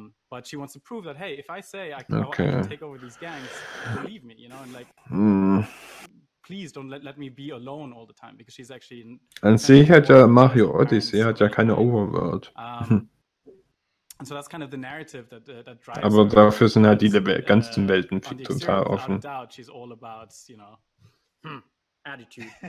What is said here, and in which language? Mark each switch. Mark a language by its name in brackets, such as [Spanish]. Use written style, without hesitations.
[English] But she wants to prove that, hey, if I say I can take over these gangs, believe me, you know, and like, please don't let me be alone all the time, because she's actually... [German] An sich hat ja Mario Odyssey, hat ja keine Overworld. [English] And so that's kind of the narrative that drives... [German] Aber dafür sind halt diese ganzen Welten total offen. [English] Without a doubt, she's all about, you know, attitude.